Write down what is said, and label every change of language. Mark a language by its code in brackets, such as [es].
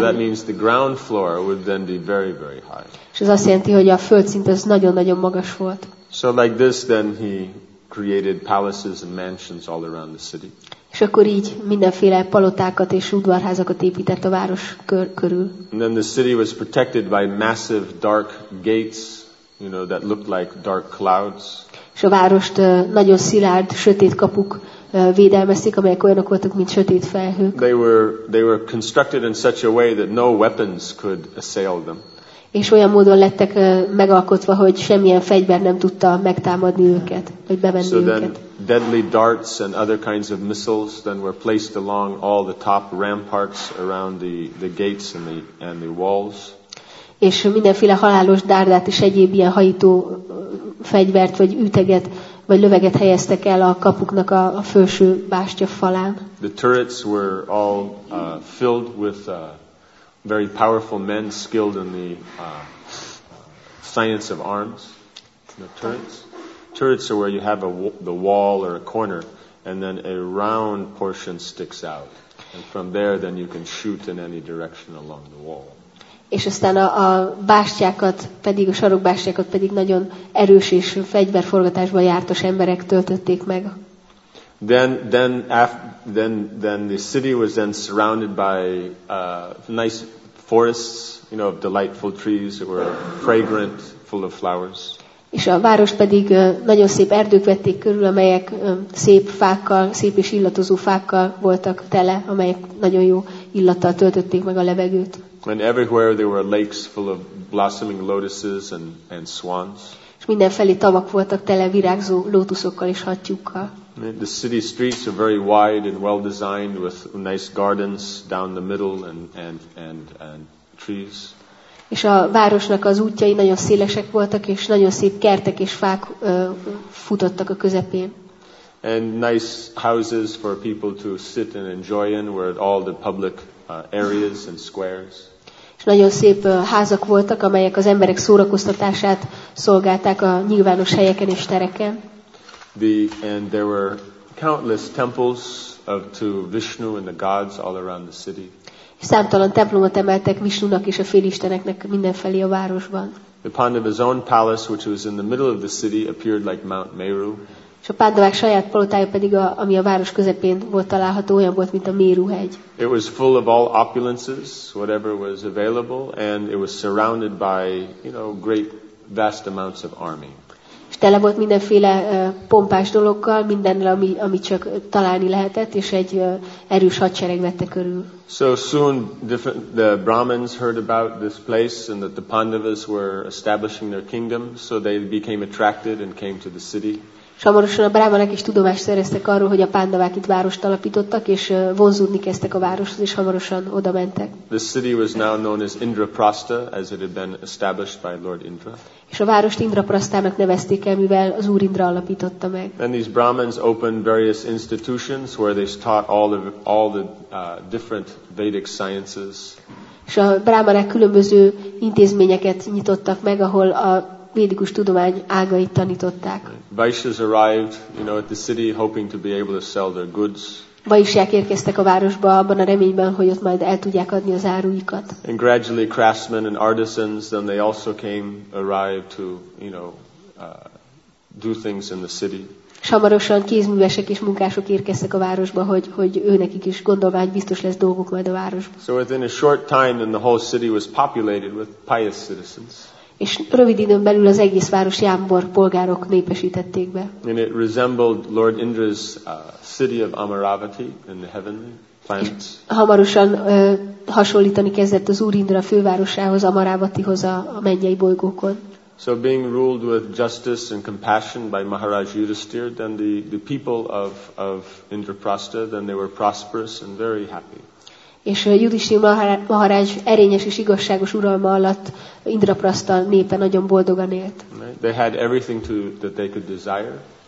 [en] So that means the ground floor would then be very, very high. [hu] És ez azt jelenti, hogy a földszint az nagyon-nagyon magas volt. [en] So like this, then he created palaces and mansions all around the city. [hu] És akkor így mindenféle palotákat és udvarházakat épített a város körül. [en] And then the city was protected by massive dark gates, you know, that looked like dark clouds. [hu] És a várost nagyon szilárd, sötét kapuk védelmezték, amelyek olyanok voltak, mint sötét felhők. [en] They were constructed in such a way that no weapons could assail them. [hu] És olyan módon lettek megalkotva, hogy semmilyen fegyver nem tudta megtámadni őket, vagy bevenni őket. [en] So then deadly darts and other kinds of missiles then were placed along all the top ramparts around the gates and the walls. [hu] És mindenféle halálos dárdát és egyéb ilyen hajító fegyvert, vagy üteget, vagy löveget helyeztek el a kapuknak a felső bástya falán. [en] The turrets were all filled with very powerful men skilled in the science of arms. The turrets are where you have the wall or a corner, and then a round portion sticks out, and from there then you can shoot in any direction along the wall. [hu] És aztán a bástyákat, pedig a sarokbástyákat pedig nagyon erős és fegyverforgatásban jártos emberek töltötték meg. [en] Then the city was then surrounded by nice forests, you know, of delightful trees that were fragrant, full of flowers. [hu] És a város pedig nagyon szép erdők vették körül, amelyek szép fákkal, szép és illatozó fákkal voltak tele, amelyek nagyon jó illattal töltötték meg a levegőt. [en] And everywhere there were lakes full of blossoming lotuses and swans. [hu] És mindenfelé tavak voltak tele virágzó lótuszokkal és hattyúkkal. [en] The city streets are very wide and well designed with nice gardens down the middle and trees. [hu] És a városnak az útjai nagyon szélesek voltak és nagyon szép kertek és fák futottak a közepén. [en] And nice houses for people to sit and enjoy in were all the public areas and squares. [hu] És nagyon szép házak voltak, amelyek az emberek szórakoztatását szolgálták a nyilvános helyeken és tereken. [en] And there were countless temples to Vishnu and the gods all around the city. [hu] És számtalan templomot emeltek Vishnunak és a félisteneknek mindenfelé a városban. [en] The Pandava's own palace, which was in the middle of the city, appeared like Mount Meru. [hu] És a Pandavák saját palotája pedig, ami a város közepén volt található, olyan volt, mint a Méru-hegy. [en] It was full of all opulences, whatever was available, and it was surrounded by, you know, great vast amounts of army. [hu] És tele volt mindenféle pompás dologgal, mindennel, ami csak találni lehetett, és egy erős hadsereg vette körül. [en] So soon the Brahmins heard about this place and that the Pandavas were establishing their kingdom, so they became attracted and came to the city. [hu] És hamarosan a brámanok is tudomást szereztek arról, hogy a pándavák itt várost alapítottak, és vonzódni kezdtek a városhoz, és hamarosan oda mentek. [en] The city was now known as Indraprastha, as it had been established by Lord Indra. [hu] És a várost Indraprasthának nevezték el, mivel az Úr Indra alapította meg. [en] Then these Brahmins opened various institutions where they taught all the different Vedic sciences. [hu] És a brámanok különböző intézményeket nyitottak meg, ahol a védikus tudomány ágait tanították. [en] Vaishyas arrived, you know, at the city hoping to be able to sell their goods. [hu] Vaishyák érkeztek a városba abban a reményben, hogy ott majd el tudják adni az áruikat. [en] And gradually craftsmen and artisans, then they also came, arrived to, you know, do things in the city. [hu] És hamarosan kézművesek és munkások érkeztek a városba, hogy őnekik is gondolvány biztos lesz dolguk majd a városban. [en] So within a short time, then the whole city was populated with pious citizens. [hu] És rövid időn belül az egész város Jámbor polgárok népesítették be. [en] And it resembled Lord Indra's city of Amaravati in the heavenly planets. [hu] Hamarosan hasonlítani kezdett az Úr Indra fővárosához, Amaravatihoz a mennyei bolygókon. [en] So being ruled with justice and compassion by Maharaj Yudhisthira, then the people of Indraprastha, then they were prosperous and very happy. [hu] És Yudhisthira Maharaj erényes és igazságos uralma alatt Indraprastha népe nagyon boldogan élt. [en] They had everything to, that they could desire.